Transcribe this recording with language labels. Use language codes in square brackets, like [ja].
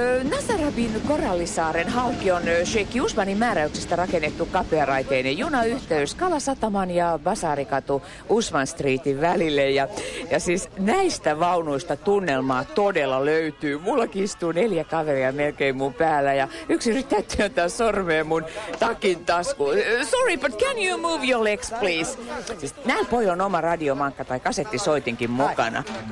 [fi] Nazarabin Korallisaaren halki on Sheikh Usmanin määräyksestä rakennettu kapearaiteinen junayhteys Kalasataman ja Basarikatu Usman Streetin välille. Ja siis näistä vaunuista tunnelmaa todella löytyy. Mullakin istuu 4 kaveria melkein mun päällä ja yksi yrittää työntää sormea mun takin taskuun. [en] Sorry, but can you move your legs, please? [fi] Siis näillä pojilla on oma radiomankka tai kasettisoitinkin mukana.